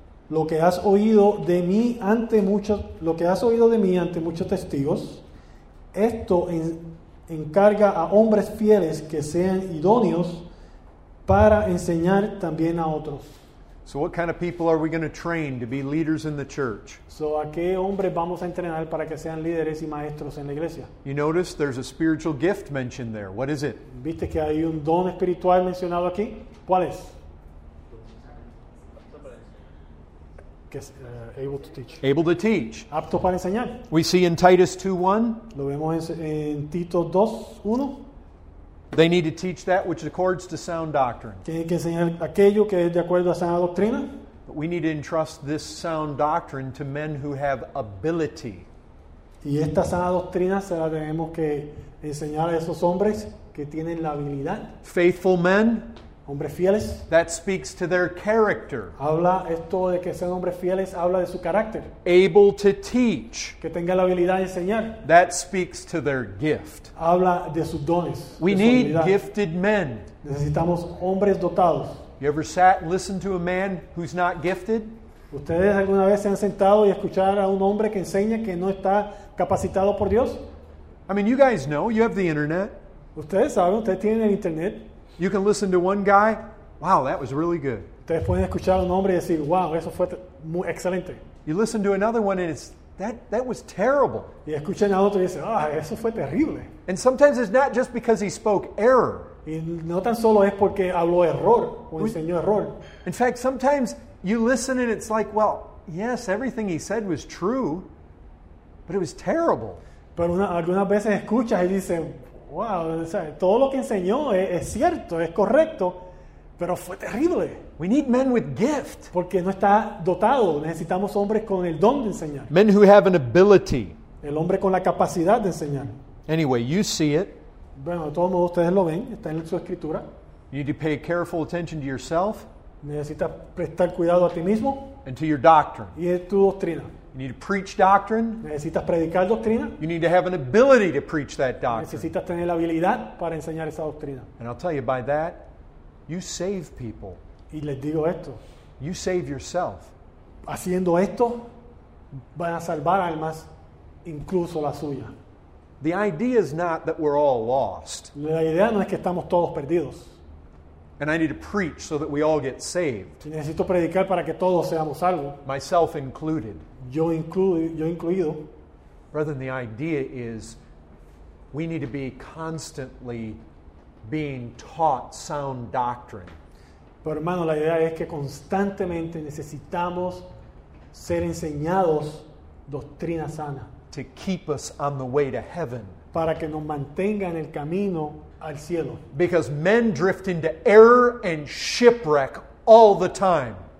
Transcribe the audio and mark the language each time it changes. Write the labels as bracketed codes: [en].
[es] Lo que has oído de mí ante muchos, lo que has oído de mí ante muchos testigos, esto encarga a hombres fieles que sean idóneos para enseñar también a otros. [en] So what kind of people are we going to train to be leaders in the church? [es] So a qué hombres vamos a entrenar para que sean líderes y maestros en la iglesia? [en] You notice there's a spiritual gift mentioned there. What is it? [es] ¿Viste que hay un don espiritual mencionado aquí? ¿Cuál es? [en] Able to teach. Able to teach. [es] Apto para enseñar. [en] We see in Titus 2:1. [es] Lo vemos en Tito 2:1. [en] They need to teach that which accords to sound doctrine. [es] Tienen que enseñar aquello que es de acuerdo a sana doctrina. [en] But we need to entrust this sound doctrine to men who have ability. [es] Y esta sana doctrina se la debemos que enseñar a esos hombres que tienen la habilidad. [en] Faithful men. [es] Hombres fieles. [en] That speaks to their character. [es] Habla esto de que sean hombres fieles, habla de su carácter. [en] Able to teach. [es] Que tenga la habilidad de enseñar. [en] That speaks to their gift. [es] Habla de sus dones. [en] We need gifted men. [es] Necesitamos hombres dotados. [en] You ever sat and listened to a man who's not gifted? [es] ¿Ustedes alguna vez se han sentado y escuchar a un hombre que enseña que no está capacitado por Dios? [en] I mean, you guys know, you have the internet. [es] Ustedes saben, ustedes tienen el internet. [en] You can listen to one guy. Wow, that was really good. [es] Ustedes pueden escuchar a un hombre y decir, wow, eso fue muy excelente. [en] You listen to another one and it's that was terrible. [es] Y escuchan a otro y dicen, ah, eso fue terrible. [en] And sometimes it's not just because he spoke error. [es] Y no tan solo es porque habló error o enseñó error. [en] In fact, sometimes you listen and it's like, well, yes, everything he said was true, but it was terrible. [es] Pero algunas veces escuchas y dicen, wow, o sea, todo lo que enseñó es cierto, es correcto, pero fue terrible. [en] We need men with gift. [es] Porque no está dotado. Necesitamos hombres con el don de enseñar. [en] Men who have an ability. [es] El hombre con la capacidad de enseñar. [en] Anyway, you see it. [es] Bueno, de todos modos, ustedes lo ven. Está en su escritura. [en] You need to pay careful attention to yourself. [es] Necesitas prestar cuidado a ti mismo. [en] And to your doctrine. [es] Y a tu doctrina. [en] You need to preach doctrine. [es] Necesitas predicar doctrina. [en] You need to have an ability to preach that doctrine. [es] Necesitas tener la habilidad para enseñar esa doctrina. [en] And I'll tell you, by that, you save people. [es] Y les digo esto. [en] You save yourself. [es] Haciendo esto, van a salvar almas, incluso la suya. [en] The idea is not that we're all lost. [es] La idea no es que estamos todos perdidos. [en] And I need to preach so that we all get saved. [es] Necesito predicar para que todos seamos salvos. [en] Myself included. [es] Yo incluido. [en] Brethren, the idea is we need to be constantly being taught sound doctrine. [es] Pero hermano, la idea es que constantemente necesitamos ser enseñados doctrina sana. [en] To keep us on the way to heaven. [es] Para que nos mantenga en el camino al cielo. [en] Because men drift into error and shipwreck all the time.